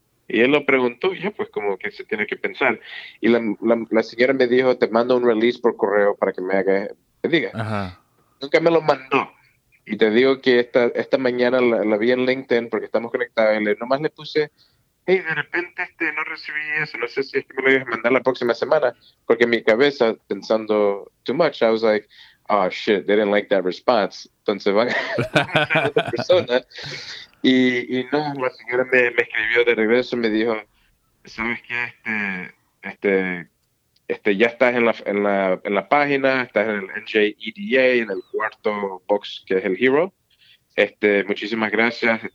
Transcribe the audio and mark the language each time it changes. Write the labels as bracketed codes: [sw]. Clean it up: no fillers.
[es] Y él lo preguntó, ya pues como que se tiene que pensar. Y la señora me dijo, te mando un release por correo para que me diga. Ajá. Nunca me lo mandó. Y te digo que esta mañana la vi en LinkedIn porque estamos conectados. Y nomás le puse, hey, de repente no recibí eso. No sé si es que me lo ibas a mandar la próxima semana. Porque en mi cabeza, pensando [en] too much, I was like, oh shit, they didn't like that response. [es] Entonces van a otra persona. Y no, la señora me escribió de regreso, me dijo, ¿sabes qué? Ya estás en la página, estás en el NJEDA, en el cuarto box que es el Hero. Muchísimas gracias.